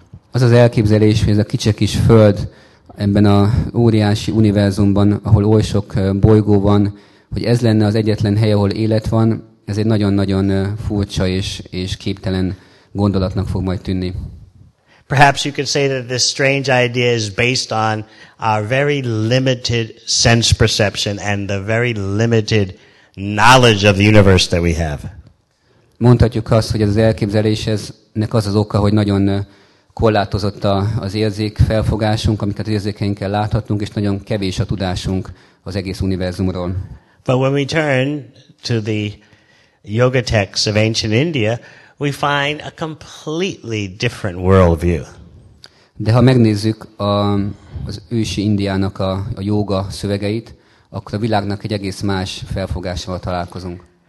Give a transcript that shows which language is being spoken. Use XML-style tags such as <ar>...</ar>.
<hu>Az az elképzelés, hogy ez a kicsi kis föld ebben a óriási univerzumban, ahol oly sok bolygó van, hogy ez lenne az egyetlen hely, ahol élet van, ez egy nagyon-nagyon furcsa és képtelen gondolatnak fog majd tűnni.</hu> <en>Perhaps you could say that this strange idea is based on our very limited sense perception and the very limited knowledge of the universe that we have.</en> <hu>Mondhatjuk azt, hogy ez az elképzelés, eznek az az oka, hogy nagyon korlátozott az érzékfelfogásunk, amiket az érzékeinkkel láthatunk, és nagyon kevés a tudásunk az egész univerzumról.</hu> <en>But when we turn to the yoga texts of ancient India, we find a completely different worldview.</en> <hu>De ha megnézzük az ősi Indiának a jóga szövegeit, akkor a világnak egy egész más felfogásával találkozunk.</hu>